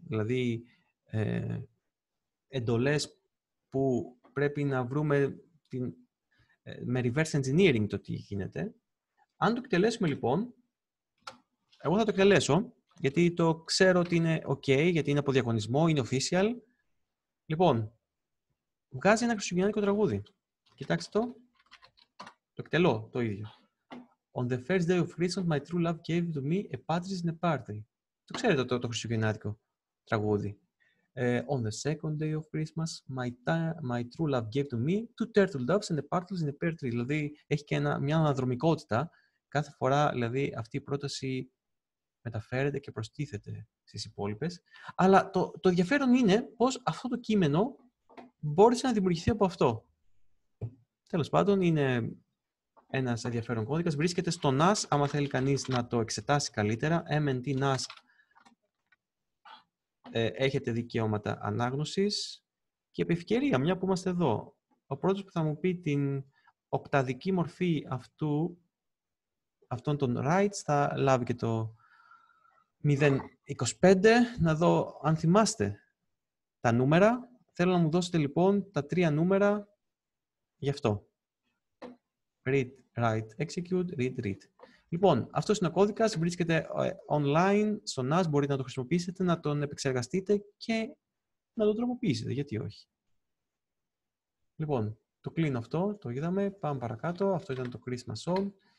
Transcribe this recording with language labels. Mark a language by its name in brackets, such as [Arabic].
[Greek] Δηλαδή, εντολές που πρέπει να βρούμε με reverse engineering το τι γίνεται. Αν το εκτελέσουμε λοιπόν, εγώ θα το εκτελέσω, γιατί το ξέρω ότι είναι ok, γιατί είναι από διαγωνισμό, είναι official. Λοιπόν, βγάζει ένα χριστουγεννιάτικο τραγούδι. Κοιτάξτε το. Το εκτελώ το ίδιο. [English] On the first day of Christmas, my true love gave to me a partridge in a pear tree. [Greek] Το ξέρετε το χριστουγεννιάτικο τραγούδι. [English] On the second day of Christmas, my true love gave to me two turtle doves and a partridge in a pear tree. [Greek] Δηλαδή, έχει και μια αναδρομικότητα. Κάθε φορά, δηλαδή, αυτή η πρόταση μεταφέρεται και προστίθεται στις υπόλοιπες. Αλλά το ενδιαφέρον είναι πως αυτό το κείμενο μπόρεσε να δημιουργηθεί από αυτό. Τέλος πάντων, είναι ένας ενδιαφέρον κώδικας. Βρίσκεται στο NAS, άμα θέλει κανείς να το εξετάσει καλύτερα. MNT NAS, έχετε δικαιώματα ανάγνωσης. Και επί ευκαιρία, μια που είμαστε εδώ, ο πρώτος που θα μου πει την οκταδική μορφή αυτών των rights θα λάβει και το 0.25. Να δω αν θυμάστε τα νούμερα. Θέλω να μου δώσετε λοιπόν τα τρία νούμερα γι' αυτό. [English] Read, write, execute, read, read. [Greek] Λοιπόν, αυτό είναι ο κώδικας, βρίσκεται online στο NAS, μπορείτε να το χρησιμοποιήσετε, να τον επεξεργαστείτε και να το τροποποιήσετε, γιατί όχι. Λοιπόν, το κλείνω αυτό, το είδαμε, πάμε παρακάτω, αυτό ήταν το Christmas song.